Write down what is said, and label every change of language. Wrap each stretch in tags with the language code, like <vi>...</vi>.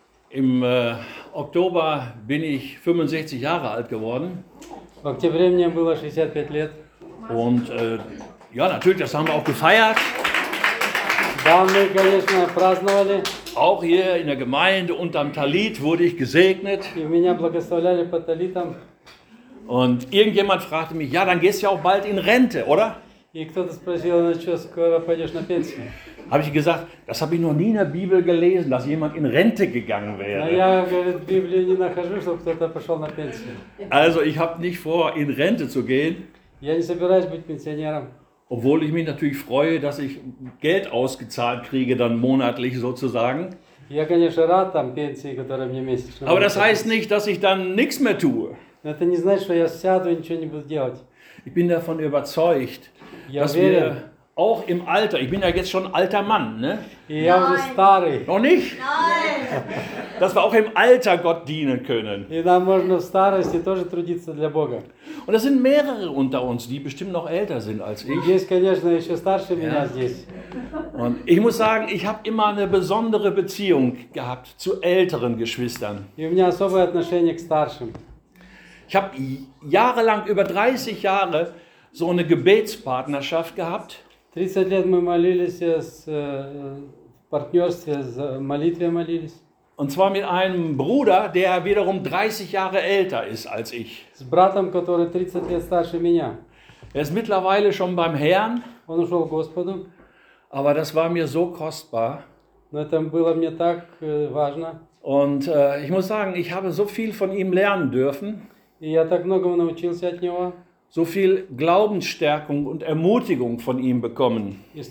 <de>Im Oktober bin ich 65 Jahre alt geworden.</de> <ru>В октябре мне было 65 лет.</ru> <de>Und ja, natürlich, das haben wir auch gefeiert.</de> <ru>Да, мы, конечно, праздновали.</ru> <de>Auch hier in der Gemeinde unterm Talit wurde ich gesegnet.</de> <ru>И меня благословляли под талитом.</ru> <de>Und irgendjemand fragte mich, ja, dann gehst du ja auch bald in Rente, oder?</de> <ru>И кто-то спросил, ну что, скоро пойдешь на пенсию?</ru> <de>Habe ich gesagt, das habe ich noch nie in der Bibel gelesen, dass jemand in Rente gegangen wäre.</de> <ru>Ja, говорит, в Библии не нахожу, чтобы кто-то пошел на пенсию.</ru> <de>Also, ich habe nicht vor, in Rente zu gehen.</de> <ru>Я не собираюсь быть пенсионером.</ru> <de>Obwohl ich mich natürlich freue, dass ich Geld ausgezahlt kriege, dann monatlich sozusagen.</de> <ru>Я, конечно, рад там пенсии, которая мне месячно.</ru> <de>Aber das heißt nicht, dass ich dann nichts mehr tue.</de> <ru>Это не значит, что я сяду и ничего не буду делать.</ru> <de>Ich bin davon überzeugt, dass wir auch im Alter, ich bin ja jetzt schon alter Mann, ne? Ja, wir sind старый. Noch nicht? Nein. Dass wir auch im Alter Gott dienen können.</de> <ru>И да, можно в старости тоже трудиться для Бога.</ru> <de>Und es sind mehrere unter uns, die bestimmt noch älter sind als ich.</de> <ru>Есть, конечно, еще старше меня здесь.</ru> <de>Und ich muss sagen, ich habe immer eine besondere Beziehung gehabt zu älteren Geschwistern.</de> <ru>И у меня особое отношение к старшим.</ru> <de>Ich habe jahrelang, über 30 Jahre, so eine Gebetspartnerschaft gehabt.</de> <ru>30 лет мы молились с партнерстве, с молитвой молились.</ru> <de>Und zwar mit einem Bruder, der wiederum 30 Jahre älter ist als ich.</de> <ru>С братом, который 30 лет старше меня.</ru> <de>Er ist mittlerweile schon beim Herrn.</de> <ru>Он уже в Господу.</ru> <de>Aber das war mir so kostbar.</de> <ru>Но это было мне так важно.</ru> <de>Und ich muss sagen, ich habe so viel von ihm lernen dürfen.</de> <ru>И я так многому научился от него.</ru> <de>So viel Glaubensstärkung und Ermutigung von ihm bekommen.</de>